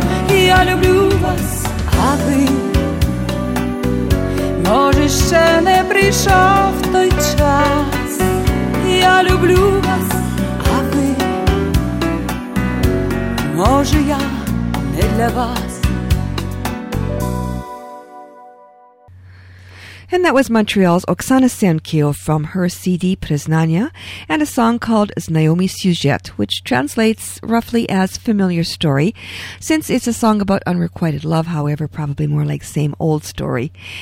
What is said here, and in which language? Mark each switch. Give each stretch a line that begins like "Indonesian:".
Ukrainian: Я люблю вас, а ви, може, ще не прийшов той час. Я люблю вас, а ви, може, я не для вас.
English: And that was Montreal's Oksana Senkyo from her CD Priznanya and a song called Znayomy Syuzhet, which translates roughly as familiar story. Since it's a song about unrequited love, however, probably more like same old story.